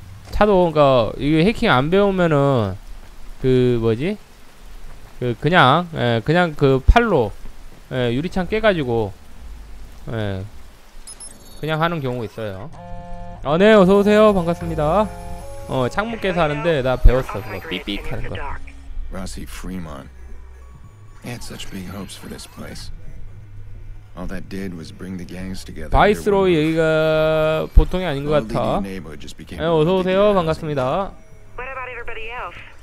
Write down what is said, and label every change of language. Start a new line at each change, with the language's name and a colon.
Korean: 차도, 그니까, 이거 해킹 안 배우면은, 그, 뭐지? 그, 그냥, 에, 그냥 그 팔로. 예, 유리창 깨가지고, 예, 그냥 하는 경우 있어요. 아, 네, 어서오세요. 반갑습니다. 어, 창문 깨서 하는데, 나 배웠어. 그거, 삐삐 하는 거. Rossi Fremon.
English: Had such big hopes for this place. All that did was bring the gangs together.
Korean: 바이스로이, 여기가 보통이 아닌 것 같아. 예, 어서오세요. 반갑습니다.
English: What about everybody else?